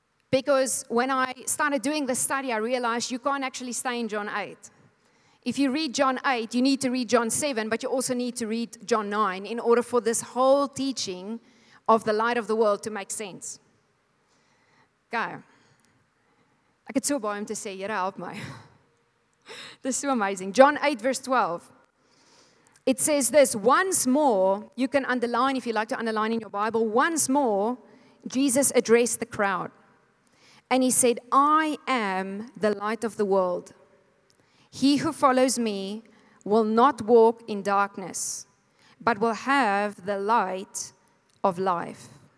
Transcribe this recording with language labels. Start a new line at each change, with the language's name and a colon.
English: Because when I started doing this study, I realized you can't actually stay in John 8. If you read John 8, you need to read John 7, but you also need to read John 9 in order for this whole teaching of the light of the world to make sense. Go.
Afrikaans: Ek het so baie om te sê, Here, help my.
English: This is so amazing. John 8, verse 12. It says this, once more, you can underline if you like to underline in your Bible, once more, Jesus addressed the crowd. And he said, I am the light of the world. He who follows me will not walk in darkness, but will have the light of life.